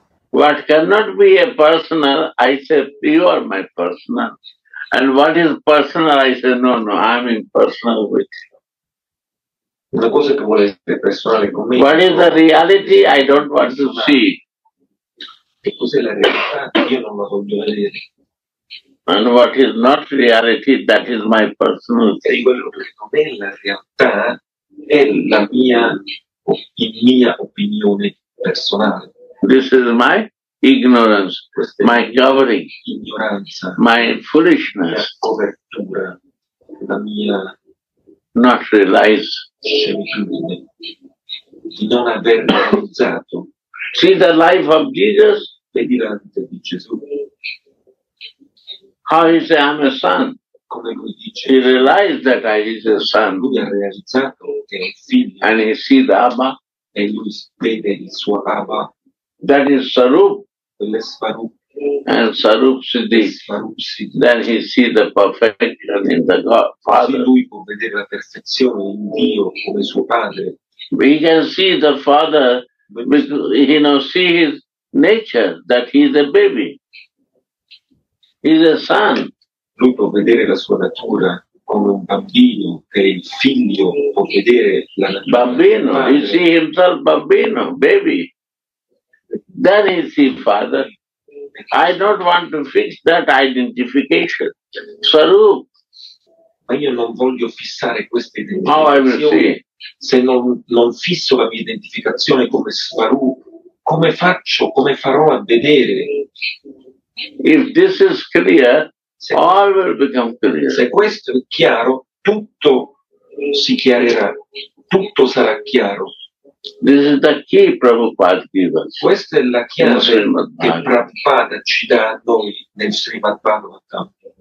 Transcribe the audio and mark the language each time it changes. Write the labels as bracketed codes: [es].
[en] What cannot be a personal, I say, you are my personal. And what is personal, I say, no, no, I'm impersonal with you. [it] Una cosa che vuole essere personale con me. [en] What is the reality, I don't want to see. [it] Che cos'è la realtà? Io non la voglio vedere. [en] And what is not reality, that is my personal thing. [it] È la mia opinione personale. [en] This is my ignorance, my covering, [it] ignoranza, [en] my foolishness, [it] la copertura, la mia [en] not realize [it] semitudine, di non aver realizzato. [en] See the life of Jesus? [it] Vedi la vita di Gesù. [en] How he say I'm a son? [it] Come lui dice, [en] he realized that I is a son. [it] Lui ha realizzato che è figlio. [en] And he see the Abba. [it] E lui vede il suo Abba. [en] That is Sarup. [it] Quello è Sarup. [en] and Sarup Siddhi, then he sees the perfection in the God, Father. [it] Lui può vedere la perfezione in Dio come suo padre. [en] We can see the Father, because, you know, see his nature, that he is a baby. He is a son. [it] Lui può vedere la sua natura come un bambino, che il figlio può vedere la natura. [en] Bambino, he sees himself bambino, baby. Then he sees Father. I don't want to fix that identification. Sarup. [it] Ma io non voglio fissare questa identificazione. Se non fisso la mia identificazione come Sarup, come faccio, come farò a vedere? [en] If this is clear, all will become clear. [it] Se questo è chiaro, tutto si chiarirà, tutto sarà chiaro. [en] This is the key Prabhupada gives us. [it] Questa è la chiave che Prabhupada ci dà a noi nel Srimad Bhagavatam.